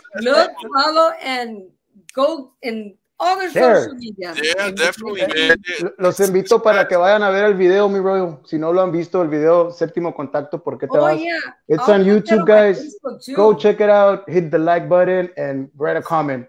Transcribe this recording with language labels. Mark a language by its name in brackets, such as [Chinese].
[English] Look, follow, and go and all their social media. Yeah, definitely, man. [Spanish] Los invito para que vayan a ver el video, mi Royal. Si no lo han visto, el video Séptimo Contacto, ¿por qué te vas? [English] Yeah. It's on YouTube, guys. Go check it out. Hit the like button and write a comment.